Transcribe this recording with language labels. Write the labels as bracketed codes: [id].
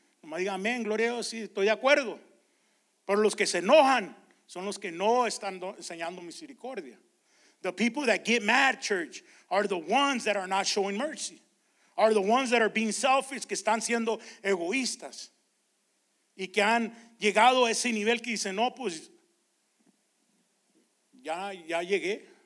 [es] Nomás diga amén, gloria a Dios, sí, estoy de acuerdo. Pero los que se enojan son los que no están enseñando misericordia. [en] The people that get mad, church, are the ones that are not showing mercy. Are the ones that are being selfish, [es] que están siendo egoístas. Y que han llegado a ese nivel que dicen, no, pues, ya llegué.